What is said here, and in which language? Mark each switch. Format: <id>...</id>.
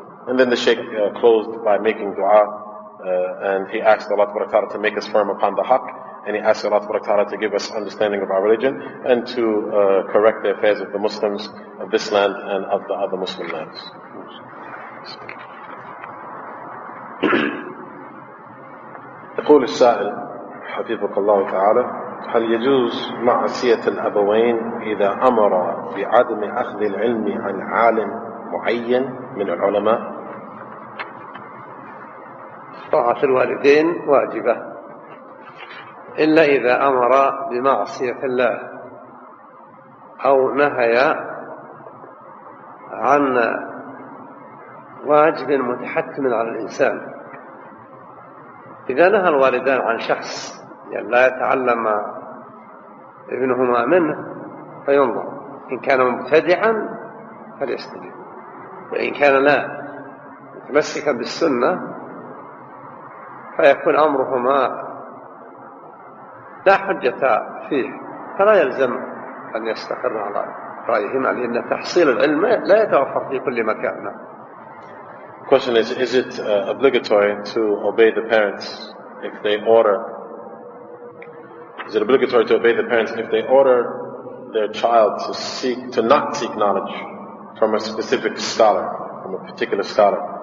<en>And then the Shaykh closed by making dua, and he asked Allah subhanahu wa ta'ala to make us firm upon the haq, and he asked Allah subhanahu wa ta'ala to give us understanding of our religion and to correct the affairs of the Muslims of this land and of the other Muslim lands.</en> <ar>يقول السائل حفظك الله تعالى هل يجوز معصية الأبوين إذا أمر بعدم أخذ العلم عن عالم معين من العلماء؟ طاعة الوالدين واجبة إلا إذا أمر بمعصية الله أو نهي عن واجب متحتم على الإنسان. إذا نهى الوالدان عن شخص يعني لا يتعلم ابنهما منه فينظر، إن كان مبتدعا فليستجب، وإن كان لا متمسكا بالسنة فيكون أمرهما لا حجة فيه، فلا يلزم أن يستقر على رأيهما، لأن تحصيل العلم لا يتوفر في كل مكان.</ar> <en>Question is it obligatory to obey the parents if they order? Is it obligatory to obey the parents if they order their child to not seek knowledge from a specific scholar, from a particular scholar?</en>